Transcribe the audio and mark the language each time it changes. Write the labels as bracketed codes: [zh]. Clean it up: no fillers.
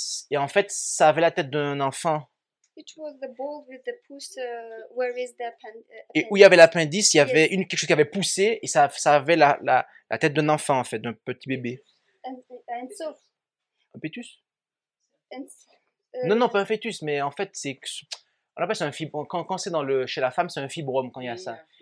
[fr] Et en fait, ça avait la tête d'un enfant. [en] It was the ball with the pus, where is the appendix. [fr] Et où il y avait l'appendice, il y avait quelque chose qui avait poussé, et ça avait la tête d'un enfant, en fait, d'un petit bébé. [en] And so... [fr] Un fœtus [en] and [fr] so, Non, non, pas un fœtus, mais en fait, c'est... On appelle ça un fibrome. Quand c'est chez la femme, c'est un fibrome quand il y a ça.